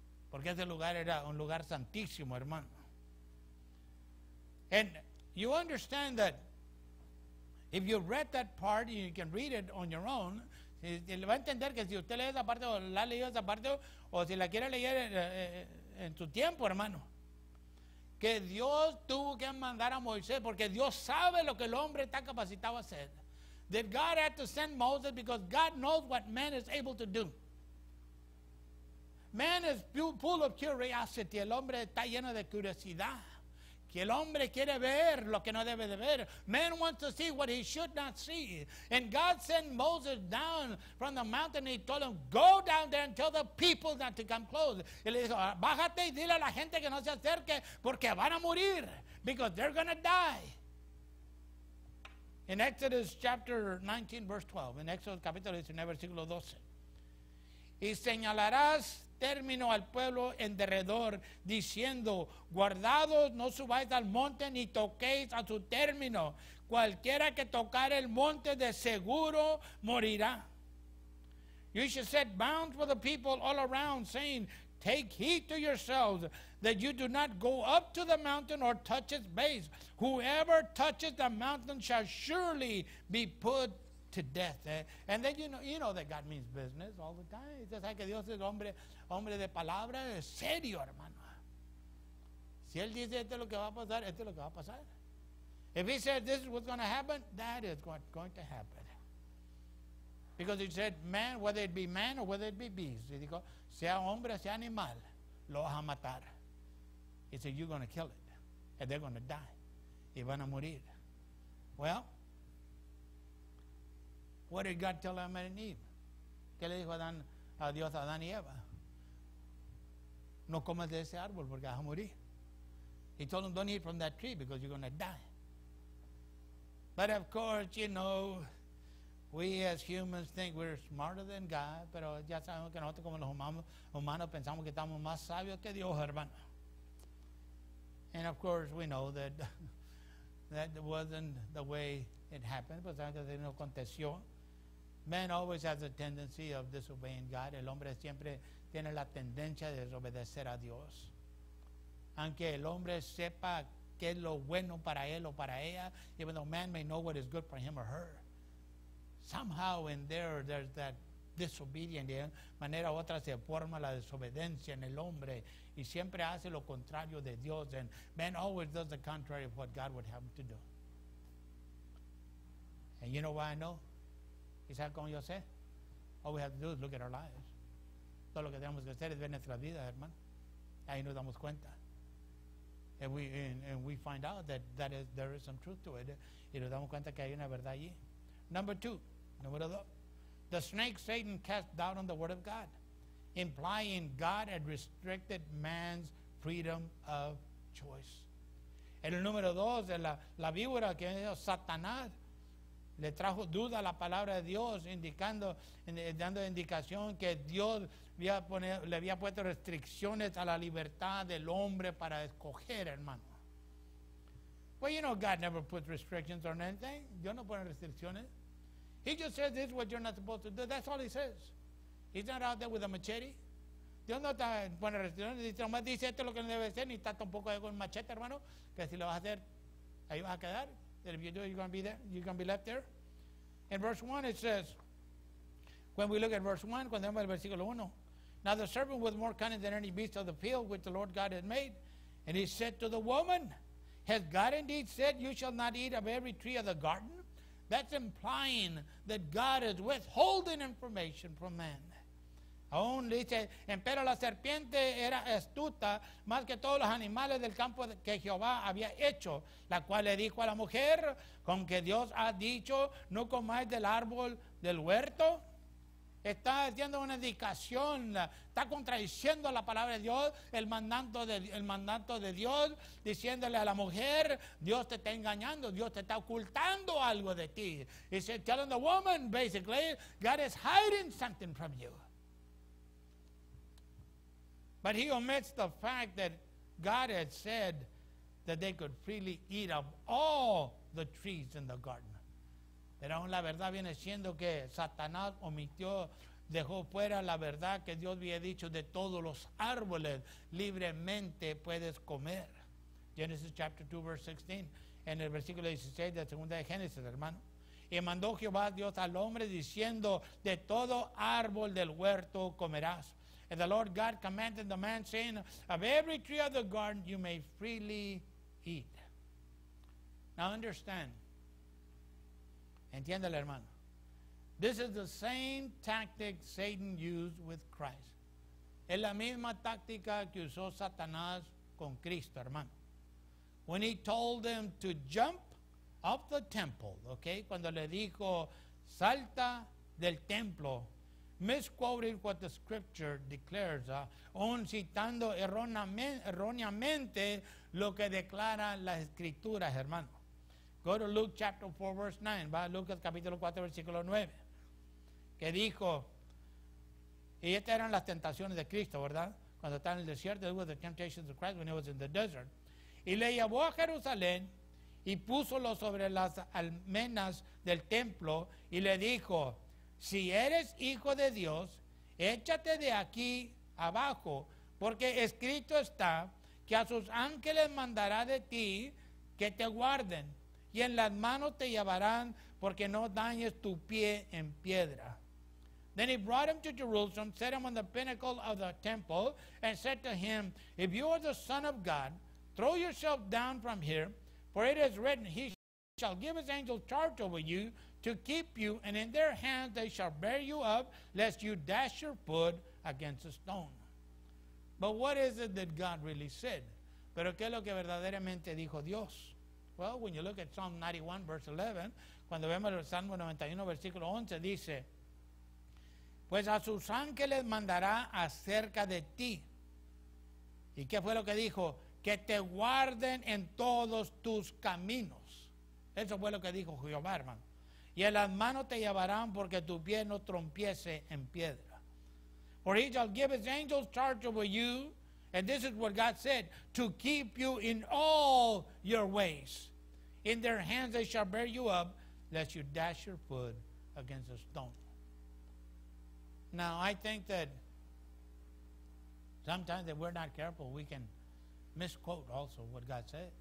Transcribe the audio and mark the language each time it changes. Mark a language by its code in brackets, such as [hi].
[es] Porque ese lugar era un lugar santísimo, hermano. [en] And you understand that if you read that part, you can read it on your own. [es] Le va a entender que si usted lee esa parte o la ha leído esa parte o si la quiere leer en su tiempo, hermano, que Dios tuvo que mandar a Moisés porque Dios sabe lo que el hombre está capacitado a hacer. [en] That God had to send Moses because God knows what man is able to do. Man is full of curiosity. [es] El hombre está lleno de curiosidad. Que el hombre quiere ver lo que no debe de ver. [en] Man wants to see what he should not see. And God sent Moses down from the mountain. He told him, go down there and tell the people not to come close. [es] Y le dijo, bájate y dile a la gente que no se acerque porque van a morir. [en] Because they're going to die. In Exodus chapter 19, verse 12. In Exodus [es] capítulo 19, versículo 12. Y señalarás término al pueblo en derredor, diciendo, guardados, no subáis al monte ni toquéis a su término. Cualquiera que tocare el monte de seguro morirá. [en] You should set bounds for the people all around, saying, take heed to yourselves that you do not go up to the mountain or touch its base. Whoever touches the mountain shall surely be put to death. And then you know that God means business all the time. [es] Usted sabe que Dios es hombre de palabra, es serio, hermano. Si él dice esto es lo que va a pasar, esto es lo que va a pasar. [en] If he says this is what's going to happen, that is what's going to happen. Because he said, man, whether it be man or whether it be beast. [es] Y dijo, sea hombre, sea animal, lo vas a matar. [en] He said, you're going to kill it. And they're going to die. [es] Y van a morir. [en] Well, what did God tell Adam and Eve? [es] ¿Qué le dijo Adán, a Dios a Adán y Eva? No comas de ese árbol porque vas a morir. [en] He told them, don't eat from that tree because you're going to die. But of course, you know, we as humans think we're smarter than God, [es] pero ya sabemos que nosotros como los humanos pensamos que estamos más sabios que Dios, hermano. [en] And of course, we know that that wasn't the way it happened. [es] Pues sabemos que no aconteció. [en] Man always has a tendency of disobeying God. [es] El hombre siempre tiene la tendencia de desobedecer a Dios. Aunque el hombre sepa qué es lo bueno para él o para ella, [en] even though man may know what is good for him or her, somehow in there's that disobedience. [es] De manera u otra se forma la desobediencia en el hombre y siempre hace lo contrario de Dios. [en] And man always does the contrary of what God would have him to do. And you know why I know? [es] ¿Y sabe cómo yo sé? [en] All we have to do is look at our lives. [es] Todo lo que tenemos que hacer es ver nuestras vidas, hermano. Ahí nos damos cuenta. [en] And we find out that there is some truth to it. [es] Y nos damos cuenta que hay una verdad allí. Número dos. [en] The snake Satan cast doubt on the word of God, implying God had restricted man's freedom of choice. [es] En el número dos, la víbora que es Satanás, le trajo duda a la palabra de Dios, indicando, dando indicación que Dios le había puesto restricciones a la libertad del hombre para escoger, hermano. [en] Well, you know, God never puts restrictions on anything. [es] Dios no pone restricciones. [en] He just says, this is what you're not supposed to do. That's all he says. He's not out there with a machete. [es] Dios no está pone restricciones. Dice, nomás dice esto es lo que no debe ser, ni está tampoco con machete, hermano, que si lo vas a hacer, ahí vas a quedar. [en] That if you do, you're going to be there. You're going to be left there. In verse 1, it says, when we look at verse 1, [es] cuando vemos el versículo 1, [en] now the serpent was more cunning than any beast of the field which the Lord God had made. And he said to the woman, has God indeed said, you shall not eat of every tree of the garden? That's implying that God is withholding information from man. [es] Aún dice, empero la serpiente era astuta más que todos los animales del campo que Jehová había hecho, la cual le dijo a la mujer, con que Dios ha dicho, no comáis del árbol del huerto. Está haciendo una indicación, está contradiciendo la palabra de Dios, el mandato de Dios, diciéndole a la mujer, Dios te está engañando, Dios te está ocultando algo de ti. [en] He's telling the woman, basically, God is hiding something from you. But he omits the fact that God had said that they could freely eat of all the trees in the garden. [es] Pero aún la verdad viene siendo que Satanás omitió, dejó fuera la verdad que Dios había dicho de todos los árboles, libremente puedes comer. [en] Genesis chapter 2, verse 16, [es] en el versículo 16 de la segunda de Génesis, hermano. Y mandó Jehová Dios al hombre diciendo, de todo árbol del huerto comerás. [en] And the Lord God commanded the man saying, of every tree of the garden you may freely eat. Now understand. [es] Entiéndale, hermano. [en] This is the same tactic Satan used with Christ. [es] Es la misma táctica que usó Satanás con Cristo, hermano. [en] When he told them to jump off the temple, okay? [es] Cuando le dijo, salta del templo, [en] misquoted what the scripture declares, [es] aún citando erróneamente lo que declara las escrituras, hermano. [en] Go to Luke chapter 4, verse 9. [es] Va a Lucas capítulo 4, versículo 9. Que dijo, y estas eran las tentaciones de Cristo, ¿verdad? Cuando estaba en el desierto, [en] it was the temptations of Christ when he was in the desert. [es] Y le llevó a Jerusalén y púsolo sobre las almenas del templo y le dijo, si eres hijo de Dios, échate de aquí abajo, porque escrito está que a sus ángeles mandará de ti que te guarden. Y en las manos te llevarán porque no dañes tu pie en piedra. [en] Then he brought him to Jerusalem, set him on the pinnacle of the temple, and said to him, if you are the Son of God, throw yourself down from here, for it is written, he shall give his angels charge over you to keep you, and in their hands they shall bear you up, lest you dash your foot against a stone. But what is it that God really said? [es] Pero qué es lo que verdaderamente dijo Dios? [en] Well, when you look at Psalm 91, verse 11, [es] cuando vemos el Salmo 91, versículo 11, dice, pues a sus ángeles mandará acerca de ti. ¿Y qué fue lo que dijo? Que te guarden en todos tus caminos. Eso fue lo que dijo Jehová, hermano. Y en las manos te llevarán porque tu pie no trompiese en piedra. [en] For he shall give his angels charge over you. And this is what God said, to keep you in all your ways. In their hands they shall bear you up, lest you dash your foot against a stone. Now, I think that sometimes if we're not careful, we can misquote also what God said.